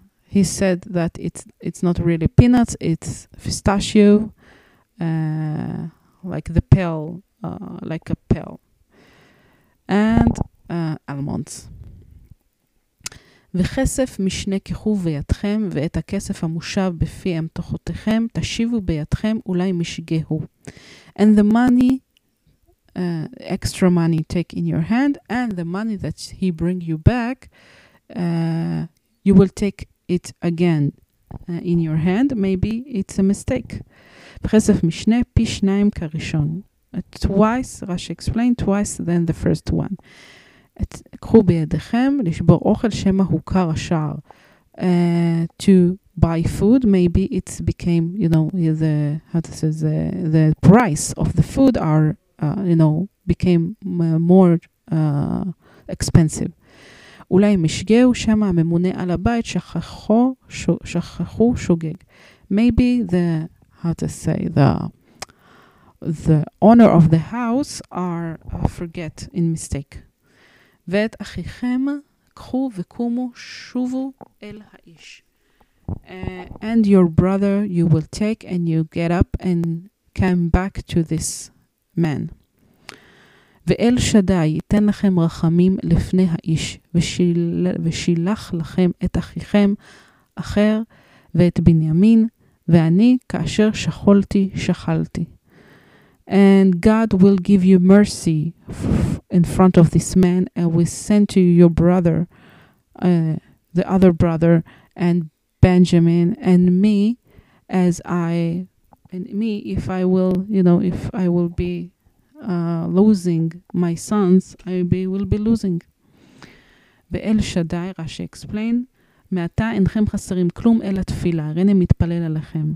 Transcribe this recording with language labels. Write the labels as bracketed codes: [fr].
[en] He said that it's not really peanuts, it's pistachio, like the pearl, like a pearl, and almonds. [he] וכסף משנה כחו בידכם, ואת הכסף המושב בפי המתוכותיכם, תשיבו בידכם, אולי משגהו. [en] And the money, extra money take in your hand, and the money that he bring you back, you will take it again in your hand, maybe it's a mistake. [he] וכסף משנה פי שניים כראשון. [en] Twice, Rashi explained, twice than the first one. [he] קחו בידיכם לשבור אוכל שמה הוכר השער. [en] To buy food, maybe it became, you know, the, how to say, the price of the food are, you know, became more expensive. [he] אולי משגהו שמה הממונה על הבית שכחו שוגג. [en] Maybe the, how to say, the owner of the house are forget in mistake. [he] ואת אחיכם קחו וקומו שובו אל האיש. [en] And your brother you will take and you get up and come back to this man. [he] ואל שדאי ייתן לכם רחמים לפני האיש ושילח לכם את אחיכם אחר ואת בנימין ואני כאשר שחלתי שחלתי. [en] And God will give you mercy in front of this man, and we send to you your brother, the other brother, and Benjamin, and me, if I will, you know, if I will be losing my sons, I will be losing. [he] ואל שדאי, רשי explain, מעתה אינכם חסרים כלום אלא תפילה, רנה מתפלל עליכם.